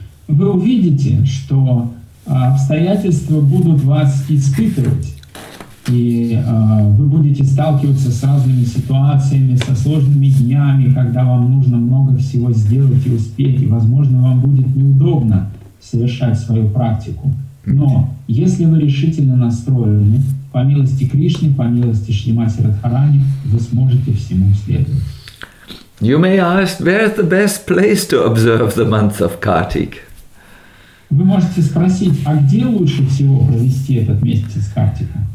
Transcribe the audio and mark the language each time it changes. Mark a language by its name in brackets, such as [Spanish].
[Russian] вы увидите, что обстоятельства будут вас испытывать, и вы будете сталкиваться с разными ситуациями, со сложными днями, когда вам нужно много всего сделать и успеть, и, возможно, вам будет неудобно совершать свою практику. Но если вы решительно настроены, по милости Кришны, по милости Шримати Радхарани, вы сможете всему следовать. [English] You may ask, where is the best place to observe the month of Kartik? [Russian] Вы можете спросить, а где лучше всего провести этот месяц Картика?